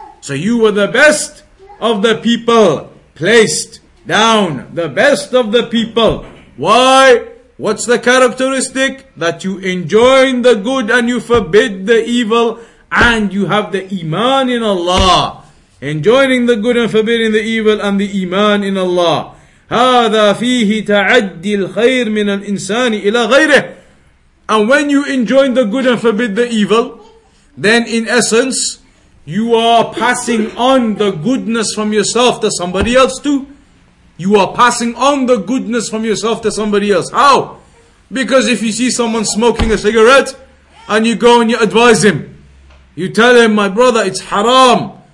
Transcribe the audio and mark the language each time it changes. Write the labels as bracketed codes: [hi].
[en] So you were the best of the people placed down. The best of the people. Why? What's the characteristic? That you enjoin the good and you forbid the evil and you have the iman in Allah. Enjoining the good and forbidding the evil and the iman in Allah. [ar] هذا فيه تعدي الخير من الإنسان إلى غيره. [en] And when you enjoin the good and forbid the evil, then in essence, you are passing on the goodness from yourself to somebody else too. You are passing on the goodness from yourself to somebody else. How? Because if you see someone smoking a cigarette, and you go and you advise him, you tell him, my brother, it's haram.